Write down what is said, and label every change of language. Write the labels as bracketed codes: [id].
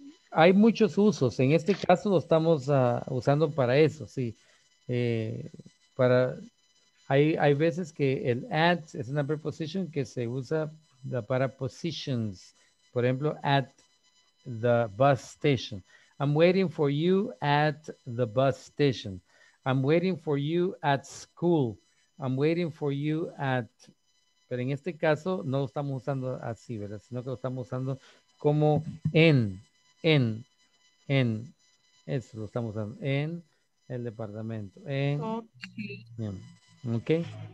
[es] Hay muchos usos. En este caso lo estamos usando para eso, sí. Hay veces que el at es una preposición que se usa para positions. Por ejemplo, [en] at the bus station. I'm waiting for you at the bus station. I'm waiting for you at school. I'm waiting for you at... [es] Pero en este caso, no lo estamos usando así, ¿verdad? Sino que lo estamos usando como en. Eso lo estamos usando en el departamento. En, [en] okay. Yeah. Okay.